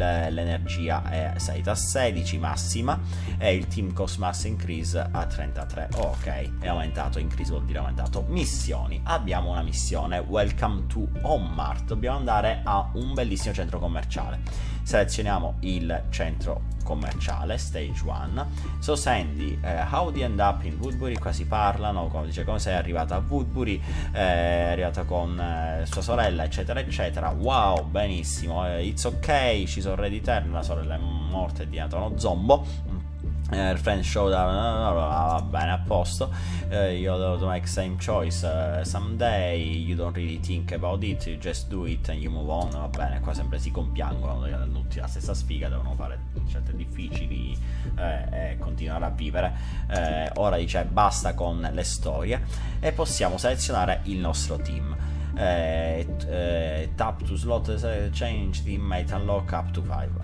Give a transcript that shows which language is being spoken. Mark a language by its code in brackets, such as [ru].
[it] L'energia è salita a 16 massima, e il team cost mass increase a 33. Oh, ok. È aumentato, increase vuol dire aumentato. Missioni: abbiamo una missione, Welcome to Home Mart. Dobbiamo andare a un bellissimo centro commerciale. Se selezioniamo il centro commerciale, stage 1. [en] So Sandy, how did you end up in Woodbury? [it] Qua si parlano, come dice, come sei arrivata a Woodbury, è arrivata con sua sorella, eccetera, eccetera. Wow, benissimo, [en] it's okay, she's already dead, [it] la sorella è morta, è diventata uno zombo. [en] Friend show da, [it] va bene, a posto. [en] You have to make same choice someday. You don't really think about it, you just do it and you move on. [it] Va bene, qua sempre si compiangono tutti la stessa sfiga, devono fare scelte difficili e continuare a vivere. Ora dice basta con le storie e possiamo selezionare il nostro team. [en] Tap to slot change teammate unlock up to 5.